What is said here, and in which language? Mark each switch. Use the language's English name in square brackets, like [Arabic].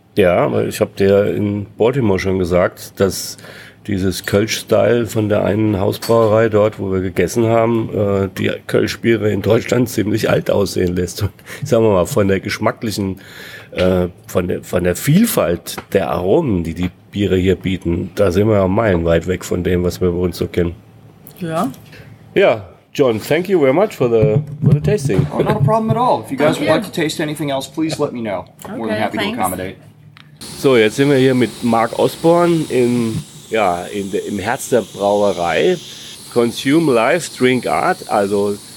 [German] Ja, ich habe dir in Baltimore schon gesagt, dass dieses Kölsch-Style von der einen Hausbrauerei dort, wo wir gegessen haben, die Kölsch-Biere in Deutschland ziemlich alt aussehen lässt. Und sagen wir mal, von der geschmacklichen, von der Vielfalt der Aromen, die Biere hier bieten, da sind wir ja meilenweit weg von dem, was wir bei uns so kennen. Ja. [English] Ja, John, thank you very much for the tasting. Oh, not a problem at all. If you guys would like to taste anything else, please let me know. Okay, more than happy thanks to accommodate. [German] So, jetzt sind wir hier mit Mark Osborne im Herz der Brauerei. [English] Consume Life, Drink Art. [German] Also